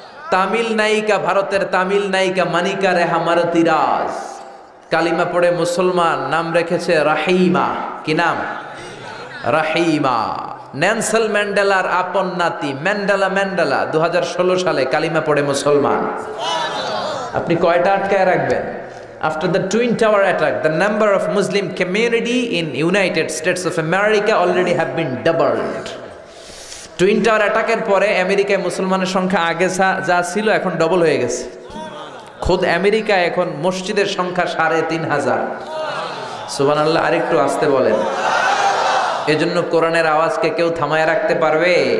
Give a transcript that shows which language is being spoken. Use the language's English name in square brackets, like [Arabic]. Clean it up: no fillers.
[Bangla] তামিল নায়িকা, ভারতের তামিল নায়িকা মানিকা রেহামারতি রাজ কালিমা পড়ে মুসলমান, নাম রেখেছে রাহিমা। কি নাম? রাহিমা। ন্যানসেল ম্যান্ডেলার আপন নাতি ম্যান্ডেলা ম্যান্ডেলা 2016 সালে কালিমা পড়ে মুসলমান। আপনি কয়টা আটকায় রাখবেন? [English] After the Twin Tower attack, the number of Muslim community in United States of America already have been doubled. [Bangla] Twin Tower attack এর পরে আমেরিকায় মুসলমানের সংখ্যা আগে যা ছিল এখন ডাবল হয়ে গেছে। খোদ আমেরিকা এখন মসজিদের সংখ্যা 3,500। সুবহানাল্লাহ, আরেকটু আস্তে বলেন। এজন্য কোরআনের আওয়াজকে কেউ থামায় রাখতে পারবে?